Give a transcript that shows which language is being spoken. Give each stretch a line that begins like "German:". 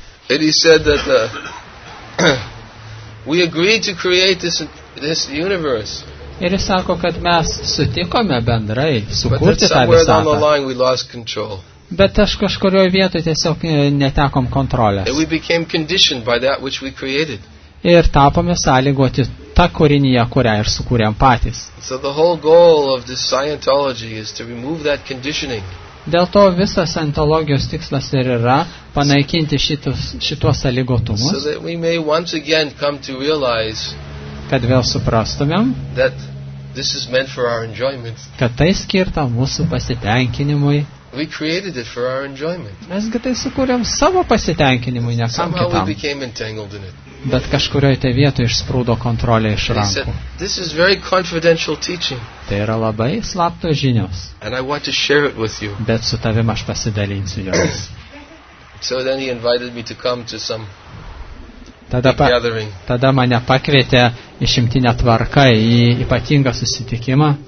English: And he said that we agreed to create this universe.
Lithuanian: Ir jis sako, kad mes sutikome bendrai sukurti tą visatą. Bet aš kažkurioje vietoje tiesiog netekom kontrolės. Ir tapome sąlygoti tą kūrinyje, kurią ir sukūrėm patys. Dėl to visas Scientologijos tikslas ir yra panaikinti šituos sąlygotumus. Kad vėl suprastumėm,
English: this is meant for our enjoyment.
Lithuanian: Kad tai skirta mūsų pasitenkinimui.
English: We created it for our enjoyment.
Lithuanian: Mes tai sukūrėm savo pasitenkinimui, ne kam kitam.
English: Somehow we became entangled in it.
Lithuanian: Bet kažkurioje tai vietoje išsprūdo kontrolė iš rankų.
English: Said, this is very confidential teaching.
Lithuanian: Tai yra labai slaptos žinios.
English: And I want to share it with you.
Lithuanian: Bet su tavim aš pasidalinsiu jomis.
English: So then he invited me to come to some
Lithuanian: Tada mane pakvietė išimtinę tvarką į ypatingą susitikimą.